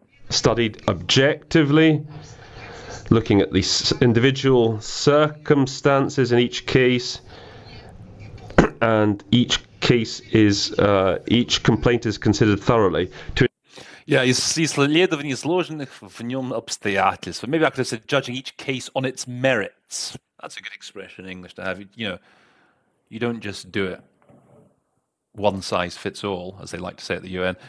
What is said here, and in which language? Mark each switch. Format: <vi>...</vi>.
<en>Studied objectively, looking at the individual circumstances in each case, and each case is each complaint is considered thoroughly.</en> <ru>Исследование сложных в нем обстоятельств.</ru> <en>Maybe I could have said judging each case on its merits. That's a good expression in English to have. You know, you don't just do it one size fits all, as they like to say at the UN.</en>